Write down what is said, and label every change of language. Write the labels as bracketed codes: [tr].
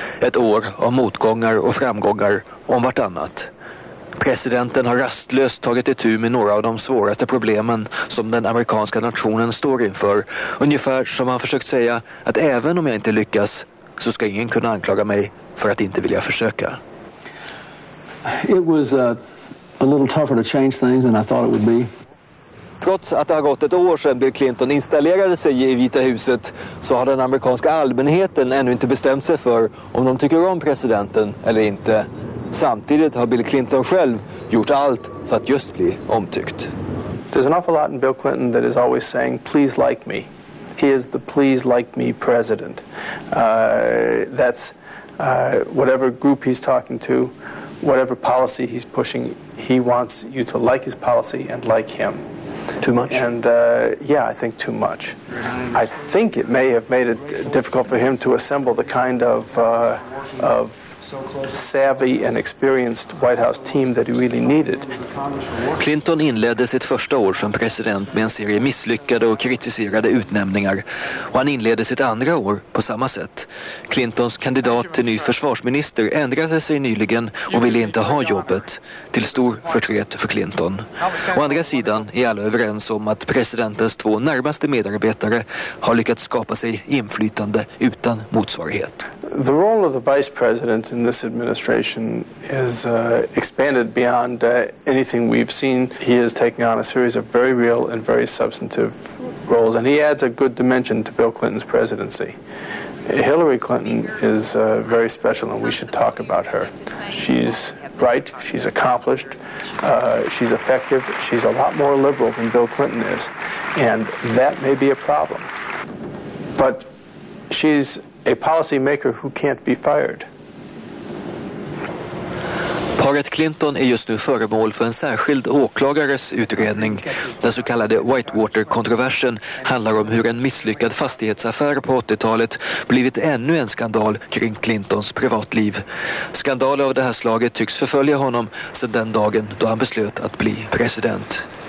[sv] Ett år av motgångar och framgångar om vartannat. Presidenten har rastlöst tagit itu med några av de svåraste problemen som den amerikanska nationen står inför. Ungefär som han försökt säga att även om jag inte lyckas så ska ingen kunna anklaga mig för att inte vilja försöka. [en] It was a little tougher to change things than I thought it would be. [sv] Trots att det har gått ett år sedan Bill Clinton installerade sig i Vita huset så har den amerikanska allmänheten ännu inte bestämt sig för om de tycker om presidenten eller inte. Samtidigt har Bill Clinton själv gjort allt för att just bli omtyckt. [en] There's an awful lot in Bill Clinton that is always saying please like me. He is the please like me president. Whatever group he's talking to, whatever policy he's pushing, he wants you to like his policy and like him. Too much? And yeah, I think too much. I think it may have made it difficult for him to assemble the kind of savvy and experienced White House team that he really needed. [sv] Clinton inledde sitt första år som president med en serie misslyckade och kritiserade utnämningar. Och han inledde sitt andra år på samma sätt. Clintons kandidat till ny försvarsminister ändrade sig nyligen och ville inte ha jobbet, till stor förtret för Clinton. Å andra sidan är alla överens om att presidentens två närmaste medarbetare har lyckats skapa sig inflytande utan motsvarighet. [en] The role of the vice president in this administration is expanded beyond anything we've seen. He is taking on a series of very real and very substantive roles, and he adds a good dimension to Bill Clinton's presidency. Hillary Clinton is very special, and we should talk about her. She's bright, she's accomplished, she's effective, she's a lot more liberal than Bill Clinton is, and that may be a problem. But she's a policymaker who can't be fired. [sv] Paret Clinton är just nu föremål för en särskild åklagares utredning. Den så kallade Whitewater-kontroversen handlar om hur en misslyckad fastighetsaffär på 80-talet blivit ännu en skandal kring Clintons privatliv. Skandaler av det här slaget tycks förfölja honom sedan den dagen då han beslöt att bli president.